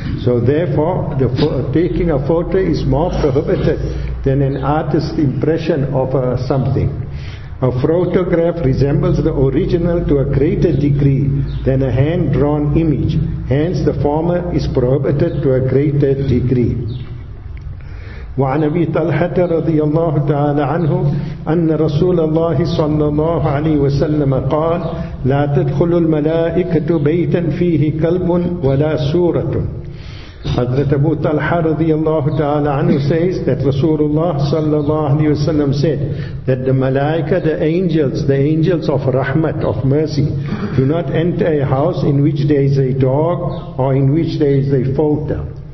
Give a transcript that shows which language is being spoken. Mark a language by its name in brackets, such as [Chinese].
[English] So therefore, taking a photo is more prohibited than an artist's impression of something. A photograph resembles the original to a greater degree than a hand-drawn image. Hence, the former is prohibited to a greater degree. [Arabic] وعن أبي طلحة رضي الله تعالى عنه أن رسول الله صلى الله عليه وسلم قال: لا تدخل الملائكة بيتا فيه كلب ولا سورة. [English] Hazrat Abu Talha radiyallahu ta'ala anhu says that Rasulullah sallallahu alayhi wasallam said that the malaika, the angels of rahmat, of mercy, do not enter a house in which there is a dog or in which there is a falter.